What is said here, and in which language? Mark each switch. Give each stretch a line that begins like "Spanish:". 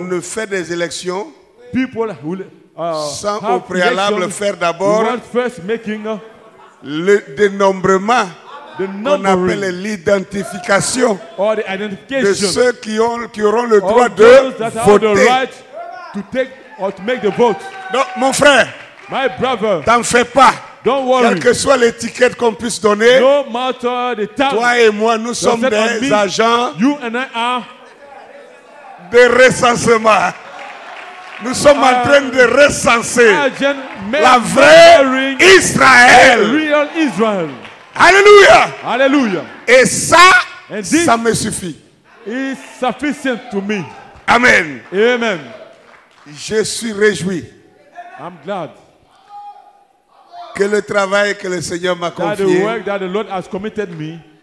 French: on ne fait des élections
English: people will,
French: sans au préalable faire d'abord
English: first making,
French: le dénombrement qu'on appelle l'identification
English: the
French: de ceux qui auront le droit de voter.
English: Right to take or to make the vote.
French: Donc, mon frère,
English: my brother,
French: t'en fais pas.
English: Don't worry.
French: Quelle que soit l'étiquette qu'on puisse donner,
English: no matter the time,
French: toi et moi, nous sommes des me, agents
English: you and I are
French: de recensement. Nous sommes en train de recenser la vraie Israël.
English: Real Israel.
French: Alléluia. Alléluia. Et ça, ça me suffit.
English: Is sufficient to me. Amen. Amen.
French: Je suis réjoui.
English: I'm glad.
French: Que le travail que le Seigneur m'a confié
English: that the work that the Lord has committed me